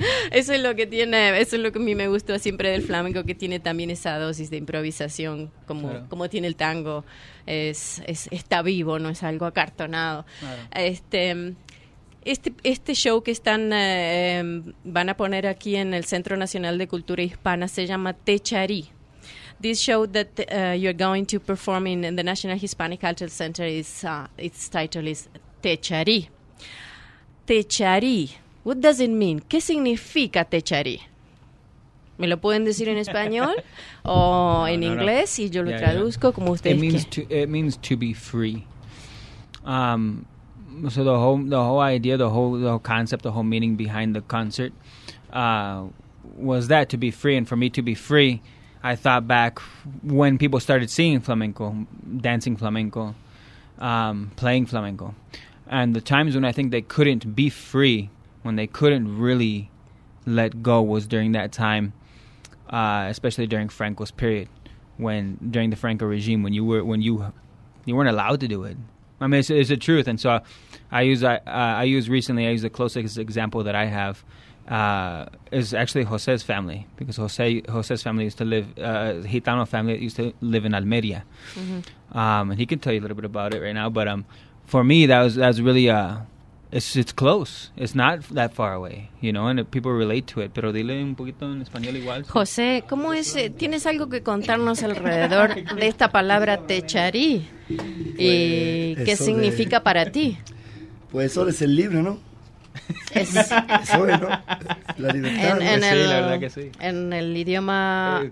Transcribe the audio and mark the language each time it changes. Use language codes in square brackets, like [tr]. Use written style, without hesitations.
[es] Eso es lo que tiene, eso es lo que a mí me gustó siempre del flamenco, que tiene también esa dosis de improvisación, como tiene el tango. Está vivo, no es algo acartonado. Claro. Este show que están van a poner aquí en el Centro Nacional de Cultura Hispana se llama Te Chari. [en] This show that you're going to perform in the National Hispanic Cultural Center is its title is Te Chari. Te Chari. What does it mean? [es] ¿Qué significa Te Chari? ¿Me lo pueden decir en español o en inglés y yo lo traduzco como ustedes quieran? [en] It means to be free. So the whole meaning behind the concert was that to be free. And for me to be free, I thought back when people started singing flamenco, dancing flamenco, playing flamenco, and the times when I think they couldn't be free, when they couldn't really let go, was during that time, especially during Franco's period, when during the Franco regime, when you weren't allowed to do it. I mean, it's the truth, and so I use the closest example that I have is actually Jose's family, because Jose's family used to live, Gitano family used to live in Almeria, mm-hmm. And he can tell you a little bit about it right now. But for me, that was really it's close. It's not that far away, you know, and people relate to it. [es] Pero dile un poquito en español igual. José, ¿cómo es? ¿Tienes algo que contarnos alrededor de esta palabra techarí? ¿Y pues qué significa para ti? Pues eso es el libro, ¿no? Eso es, ¿no? La libertad. La verdad que sí. En el idioma